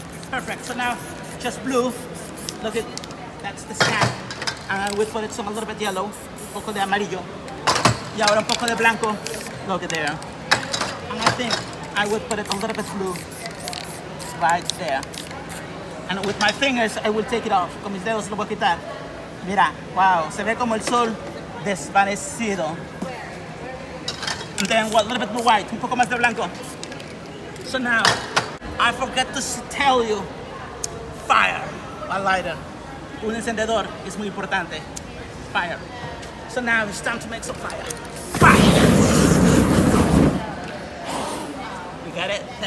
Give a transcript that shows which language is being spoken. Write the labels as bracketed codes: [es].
[en] Perfect, so now, just blue. Look at, that's the sky. And we put it some a little bit yellow. [es] Un poco de amarillo. Y ahora un poco de blanco. [en] Look at there. And I think I would put it a little bit blue. Right there. And with my fingers, I will take it off. [es] Con mis dedos lo voy a quitar. Mira, wow, se ve como el sol desvanecido. [en] And then a little bit more white, [es] un poco más de blanco. [en] So now, I forget to tell you, fire, a lighter. [es] Un encendedor es muy importante, [en] fire. So now it's time to make some fire. Fire! You got it?